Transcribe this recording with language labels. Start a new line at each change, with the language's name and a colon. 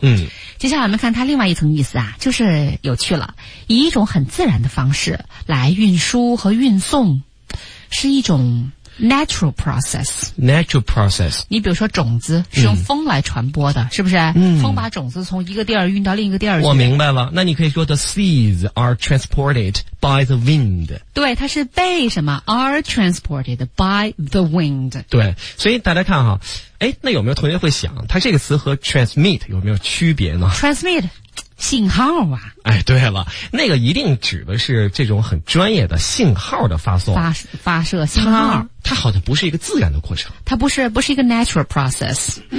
Chinese: 嗯，接下来我们看它另外一层意思啊，就是有趣了，以一种很自然的方式来运输和运送，是一种 natural process。
English: natural process。
Chinese: 你比如说种子是用风来传播的，嗯、是不是？嗯，风把种子从一个地儿运到另一个地儿去。我明白了，那你可以说
English: the seeds are transported by the wind。
Chinese: 对，它是被什么
English: are transported by the wind。
Chinese: 对，所以大家看哈。哎，那有没有同学会想，它这个词和 transmit 有没有区别呢？transmit 信号啊。哎，对了，那个一定指的是这种很专业的信号的发送、发射信号。它好像不是一个自然的过程。它不是一个
English: natural process。